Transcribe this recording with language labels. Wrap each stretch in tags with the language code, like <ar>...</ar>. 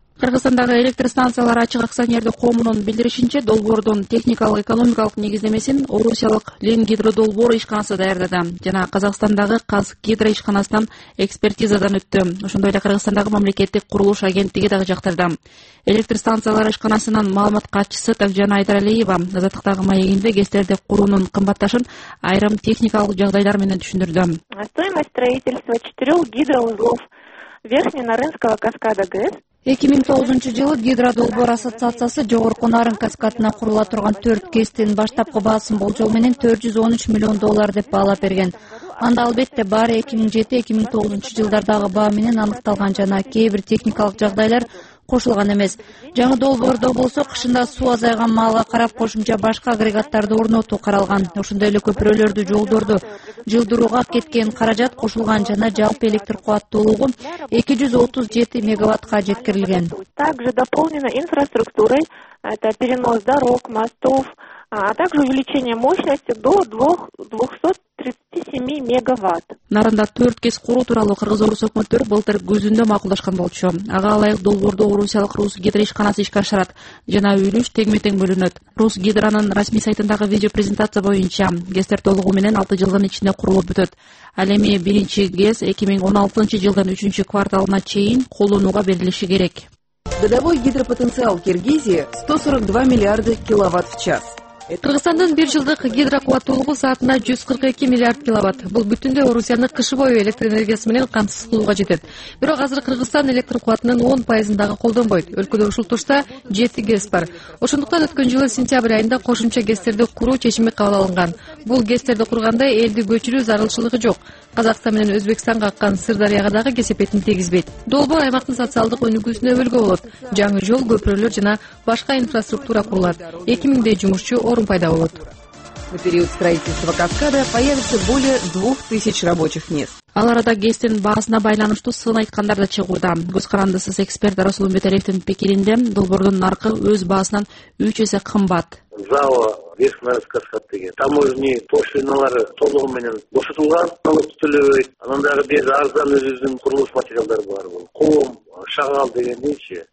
<ky>Кыргызстандагы электр станциялар ачык акционердик коомунун билдиришинче, долбоордун техникалык экономикалык негиздемесин орусиялык Ленгидродолбоор ишканасы даярдады жана Казакстандагы Казгидро ишканасынан экспертизадан өттү. Ошондой эле Кыргызстандагы мамлекеттик курулуш агенттиги дагы жактырды. Электр станциялар ишканасынын маалымат катчысы Такжан Айдаралиева азаттыктагы маегинде ГЭСтерди куруунун кымбатташын айрым техникалык жагдайлар менен түшүндүрдү.</ky> <ru>Стоимость строительства 4 гидроузлов Верхненарынского каскада ГЭС.</ru> <ky>2009-жылы гидродолбоор ассоциациясы жогорку Нарын каскадына курула турган 4 ГЭСтин баштапкы баасын болжол менен 413 миллион доллар деп баалап берген. Анда албетте баары 2007-2009-жылдардагы баа менен аныкталган жана кээ бир техникалык жагдайлар кошулган эмес. Жаңы долбоордо болсо кышында суу азайган маалга карап кошумча башка агрегаттарды орнотуу каралган. Ошондой эле көпүрөлөрдү, жолдорду жылдырууга кеткен каражат кошулган жана жалпы электр кубаттуулугу 237 мегаваттка жеткирилген.</ky> <ru>Также дополнена инфраструктурой, это перенос дорог, мостов, а также увеличение мощности до 237 мегаватт.</ru> <ky>Нарында 4 ГЭС куруу тууралуу кыргыз орус өкмөттөрү былтыр күзүндө макулдашкан болчу. Ага ылайык долбоордо орусиялык Русгидро ишканасы ишке ашырат жана үлүш теңме тең бөлүнөт. Русгидронун расмий сайтындагы видео презентация боюнча ГЭСтер толугу менен 6 жылдын ичинде курулуп бүтөт. Ал эми 1-ГЭС 2016-жылдын 3-кварталына чейин колдонууга берилиши керек.</ky> <ru>Годовой гидропотенциал Киргизии 142 миллиарда киловатт в час.</ru> <ky>Кыргызстандын бир жылдык гидрокуаттуулугу саатына 142 миллиард киловатт. Бул бүтүндөй Орусияны кыш бою электр энергиясы менен камсыз кылууга жетет. Бирок азыр Кыргызстан электр кубатынын 10% дагы колдонбойт. Өлкөдө ушул тушта 7 ГЭС бар. Ошондуктан өткөн жылы сентябрь айында кошумча ГЭСтерди куруу чечими кабыл алынган. Бул ГЭСтерди курганда элди көчүрүү зарылчылыгы жок. Казакстан менен Өзбекстанга аккан Сырдарияга дагы кесепетин тийгизбейт. Долбоо аймактын социалдык өнүгүүсүнө өбөлгө болот. Жаңы жол, көпүрлөр жана башка инфраструктура курулат. 2000 жумушчу орун пайда болот.</ky> <ru>В период строительства каскада появится более 2000 рабочих мест.</ru> <ky>Аларда ГЭСтин баасына байланыштуу сын айткандар да чыгууда. Көз карандысыз эксперт Расул Үмөтөлевдин пикиринде долбоордун наркы өз баасынан 3 эсе кымбат. ЗАО Бешмарис Каскад деген. Таможни пошлиналары толугу менен бошотулган, салык төлөбөйт. Анан дагы бир арзан өзүбүздүн курулуш материалдары бар. Кум, шагал дегендейчи.</ky>